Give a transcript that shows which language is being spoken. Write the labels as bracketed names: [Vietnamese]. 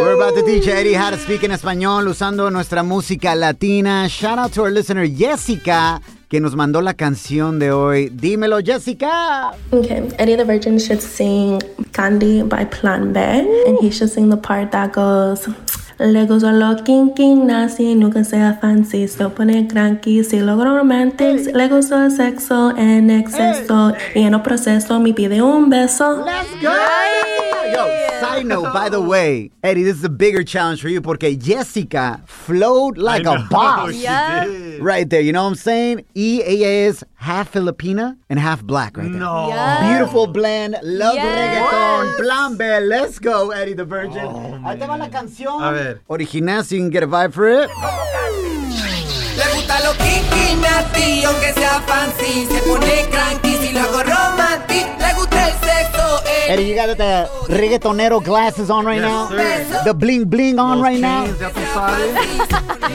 [English] We're about to teach Eddie how to speak in español [Spanish] usando nuestra música latina. [English] Shout out to our listener, Jessica, [Spanish] que nos mandó la canción de hoy. Dímelo, Jessica. [English] Okay, Eddie the Virgin should sing Candy by Plan B. And he should sing the part that goes... [Spanish] Le gusta lo king king nasty, nunca sea fancy, se pone cranky, si logro romantics, hey. Le gusta el sexo en exceso, hey. Y en el proceso me pide un beso. [English] Let's go! Yay. Yo, side note, by the way, Eddie, this is a bigger challenge for you porque Jessica flowed like a boss. Yeah. Right there, you know what I'm saying? Y ella is half Filipina and half black right there. No. Yes. Beautiful blend, love yes. Reggaeton, Plan B, let's go, Eddie the Virgin. [Spanish] Oh, ahí te va la canción. A ver. [English] Original, so you can get a vibe for it. [Spanish] Le gusta lo kinky, nasty, aunque sea fancy. Se pone cranky, si lo hago romantic. Le gusta el sexo. [English] Eddie, you got the reggaetonero glasses on right yes, now. Sir. The bling bling on [Spanish] los [English] right jeans, now. [Spanish] Ya tú sabes.